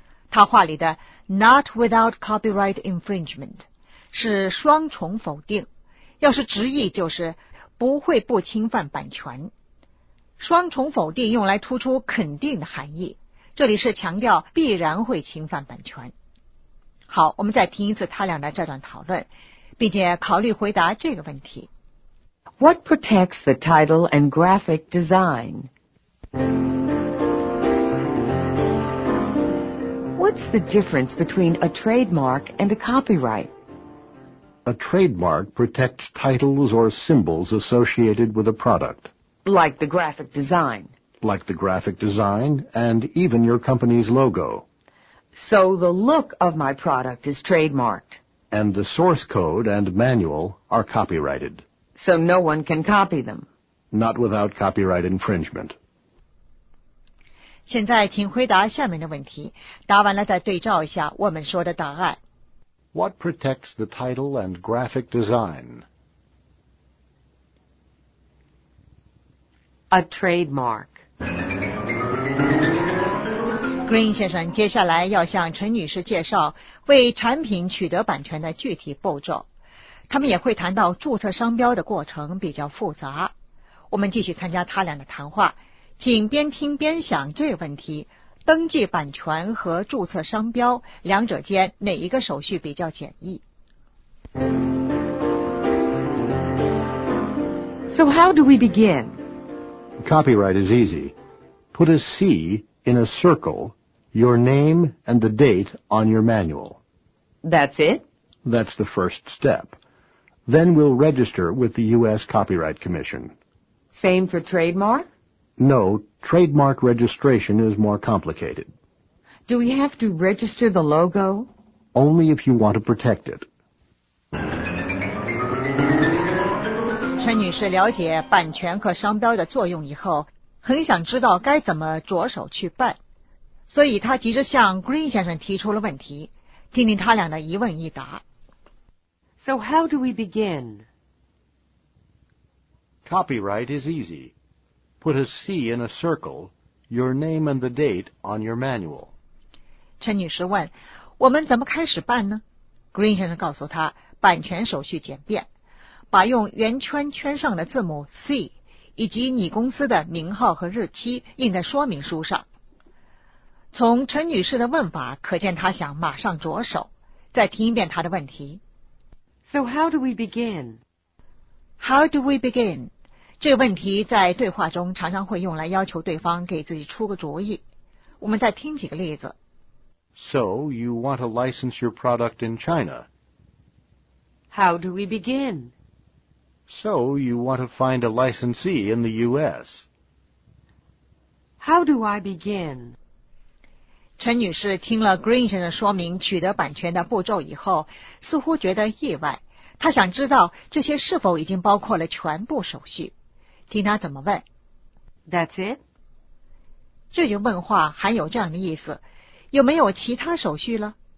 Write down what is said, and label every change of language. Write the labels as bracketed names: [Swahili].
[Chinese] 他话里的 [English] not without copyright infringement [Chinese] 是双重否定，要是直译就是不会不侵犯版权。双重否定用来突出肯定的含义，这里是强调必然会侵犯版权。好，我们再听一次他俩的这段讨论，并且考虑回答这个问题。 [English] What protects the title and graphic design? What's the difference between a trademark and a copyright? A trademark protects titles or symbols associated with a product. Like the graphic design. Like the graphic design and even your company's logo. So the look of my product is trademarked. And the source code and manual are copyrighted. So no one can copy them. not without copyright infringement. [Chinese] 现在请回答下面的问题，答完了再对照一下我们说的答案。 [English] What protects the title and graphic design? A trademark. [Chinese] Green 先生接下来要向陈女士介绍为产品取得版权的具体步骤。他们也会谈到注册商标的过程比较复杂。我们继续参加他俩的谈话，请边听边想这个问题。登记版权和注册商标两者间哪一个手续比较简易？ [English] So how do we begin? Copyright is easy. Put a C in a circle, your name and the date on your manual. That's it? That's the first step. Then we'll register with the U.S. Copyright Commission. Same for trademark? No, trademark registration is more complicated. Do we have to register the logo? Only if you want to protect it. [Chinese] 陈女士了解版权和商标的作用以后，很想知道该怎么着手去办，所以她急着向 Green 先生提出了问题，听听他俩的一问一答。 [English] So how do we begin? Copyright is easy. Put a C in a circle, your name and the date on your manual. [Chinese] 陈女士问，我们怎么开始办呢？Green 先生告诉她，版权手续简便，把用圆圈圈上的字母 C 以及你公司的名号和日期印在说明书上。从陈女士的问法可见，她想马上着手。再听一遍她的问题。 [English] So how do we begin? How do we begin? [Chinese] 这个问题在对话中常常会用来要求对方给自己出个主意。我们再听几个例子。 [English] So, you want to license your product in China? How do we begin? So, you want to find a licensee in the U.S. How do I begin? [Chinese] 陈女士听了 Green 先生说明取得版权的步骤以后，似乎觉得意外。她想知道这些是否已经包括了全部手续。听他怎么问。 [English] That's it? [Chinese] 这句问话含有这样的意思，有没有其他手续了？